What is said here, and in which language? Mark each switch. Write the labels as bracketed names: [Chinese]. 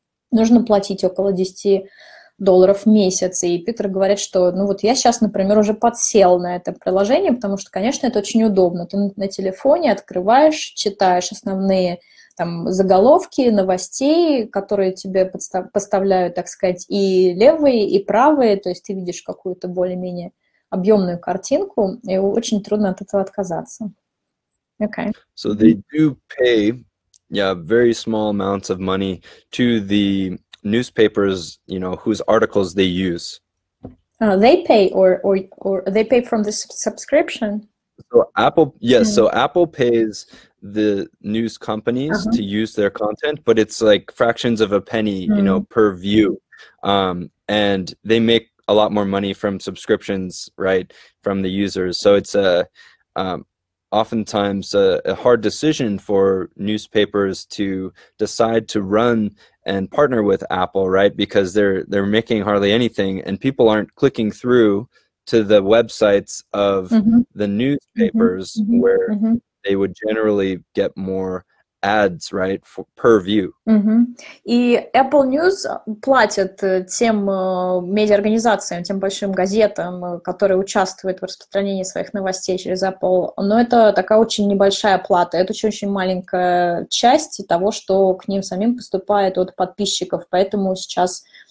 [Russian] нужно платить около 10 долларов в месяц, и Питер говорит, что, ну вот я сейчас, например, уже подсел на это приложение, потому что, конечно, это очень удобно, ты на телефоне открываешь, читаешь основные там заголовки новостей, которые тебе поставляют, так сказать, и левые, и правые, то есть ты видишь какую-то более-менее объемную картинку, и очень трудно от этого отказаться. [English] Okay. So they do pay, very small amounts of money to the newspapers, whose articles they use. They pay or they pay from the subscription. So Apple, yes. Mm. So Apple pays the news companies to use their content, but it's like fractions of a penny, per view. And they make a lot more money from subscriptions, right, from the users. So it's oftentimes a hard decision for newspapers to decide to run and partner with Apple, right? Because they're making hardly anything and people aren't clicking through to the websites of the newspapers where they would generally get more ads, right, per view. [Russian] И Apple News платит тем медиаорганизациям, тем большим газетам, которые участвуют в распространении своих новостей через Apple, но это такая очень небольшая плата, это очень-очень маленькая часть того, что к ним самим поступает от подписчиков, поэтому сейчас